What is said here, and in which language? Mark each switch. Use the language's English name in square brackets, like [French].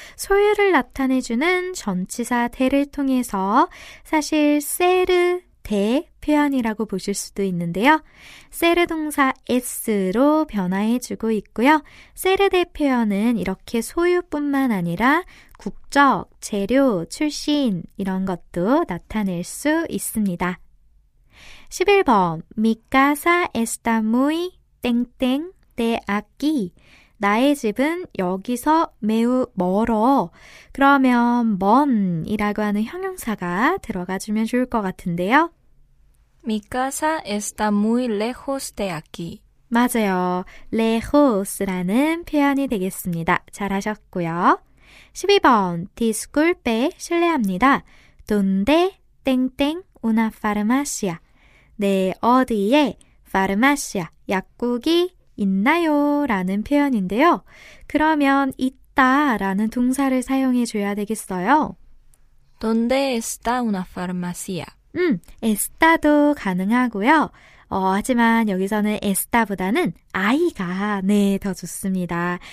[Korean] 소유를 나타내주는 전치사 대를 통해서 사실 세르 대 표현이라고 보실 수도 있는데요. 세르 동사 s로 변화해주고 있고요. 세르 대 표현은 이렇게 소유뿐만 아니라 국적, 재료, 출신 이런 것도 나타낼 수 있습니다. 11번. [Spanish] Mi casa está muy 땡땡 de aquí. [Korean] 나의 집은 여기서 매우 멀어. 그러면 먼이라고 하는 형용사가 들어가 주면 좋을 것 같은데요. [Spanish] Mi casa está muy lejos de aquí. [Korean] 맞아요. lejos라는 표현이 되겠습니다. 잘하셨고요. 12번. [Spanish] Disculpe, [Korean] 실례합니다. [Spanish] Donde 땡땡 una farmacia. [Korean] 네, 어디에 파르마시아 약국이 있나요? 라는 표현인데요. 그러면 있다라는 동사를 사용해 줘야 되겠어요. [Spanish] Donde está una farmacia? [Korean] está도 가능하고요. 하지만 여기서는 에스타보다는 아이가 네, 더 좋습니다.